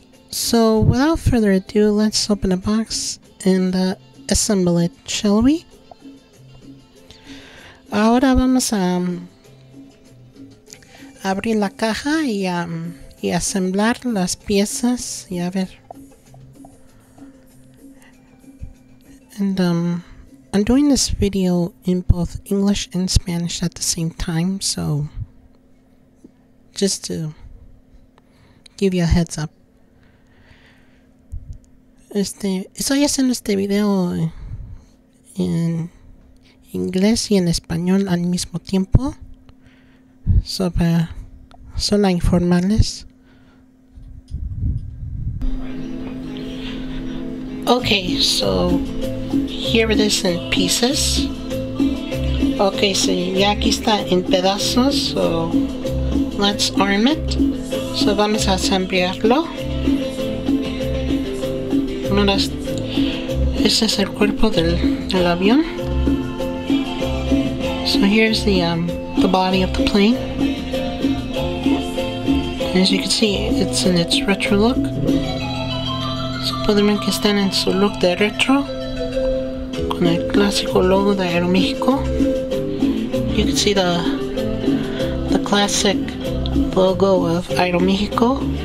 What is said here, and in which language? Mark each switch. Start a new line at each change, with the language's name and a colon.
English: So without further ado, let's open a box and assemble it, shall we?
Spanish: Ahora vamos a abrir la caja y asemblar las piezas y a ver.
English: And I'm doing this video in both English and Spanish at the same time, so just to give you a heads up.
Spanish: Estoy haciendo este video en inglés y en español al mismo tiempo, solo informarles.
English: Okay, so here it is in pieces.
Spanish: Okay, so ya aquí está en pedazos,
English: so let's arm it.
Spanish: So vamos a ensamblarlo. Este es el cuerpo del avión.
English: So here's the body of the plane. And as you can see, it's in its retro look.
Spanish: So pueden ver que están en su look de retro con el clásico logo de Aeroméxico.
English: You can see the classic logo of Aeroméxico.